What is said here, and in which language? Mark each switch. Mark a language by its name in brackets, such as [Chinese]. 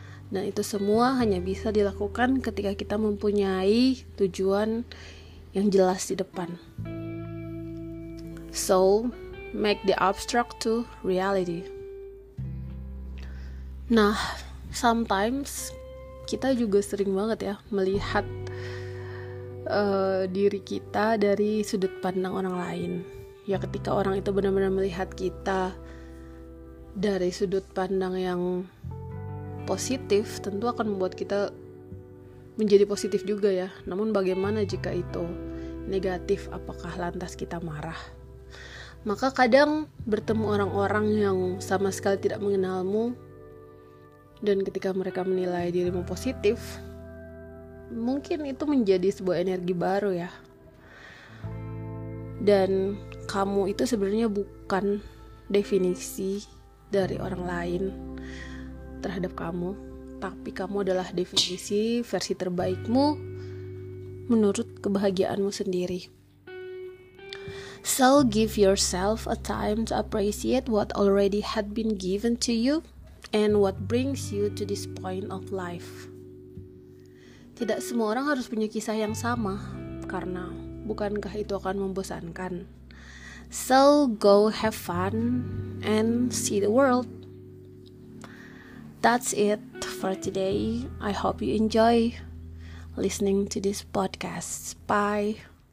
[Indonesian] Dan itu semua hanya bisa dilakukan ketika kita mempunyai tujuan yang jelas di depan. [English] So, make the abstract to reality. Nah, [Indonesian] sometimes kita juga sering banget ya melihat diri kita dari sudut pandang orang lain. Ya ketika orang itu benar-benar melihat kita dari sudut pandang yang positif, tentu akan membuat kita menjadi positif juga ya. Namun bagaimana jika itu negatif, apakah lantas kita marah? Maka kadang bertemu orang-orang yang sama sekali tidak mengenalmu, dan ketika mereka menilai dirimu positif, mungkin itu menjadi sebuah energi baru ya. Dan kamu itu sebenarnya bukan definisi dari orang lain terhadap kamu, tapi kamu adalah definisi versi terbaikmu menurut kebahagiaanmu sendiri. [English] So give yourself a time to appreciate what already had been given to you and what brings you to this point of life. [Indonesian] Tidak semua orang harus punya kisah yang sama, karena bukankah itu akan membosankan? [English] So go have fun and see the world. That's it for today. I hope you enjoy listening to this podcast. Bye.